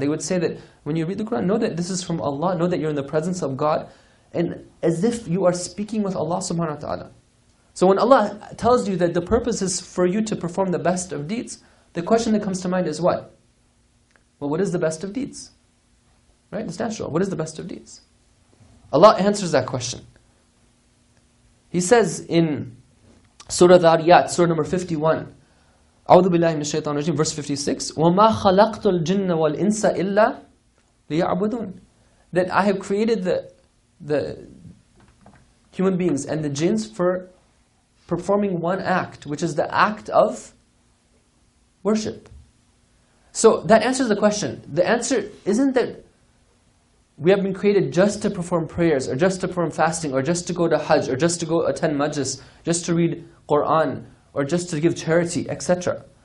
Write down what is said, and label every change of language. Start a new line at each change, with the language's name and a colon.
English: They would say that when you read the Quran, know that this is from Allah, know that you're in the presence of God, and as if you are speaking with Allah subhanahu wa ta'ala. So when Allah tells you that the purpose is for you to perform the best of deeds, the question that comes to mind is what? Well, what is the best of deeds? Right? It's natural. What is the best of deeds? Allah answers that question. He says in Surah Dhariyat, Surah number 51,
Arabic: أعوذ بالله من الشيطان الرجيم,
English: verse 56,
Arabic: وَمَا خَلَقْتُ الْجِنَّ وَالْإِنسَ إِلَّا لِيَعْبُدُونَ.
English: That I have created the human beings and the jinns for performing one act, which is the act of worship. So that answers the question. The answer isn't that We have been created just to perform prayers, or just to perform fasting, or just to go to Hajj, or just to go attend majlis, just to read Quran, or just to give charity, etc.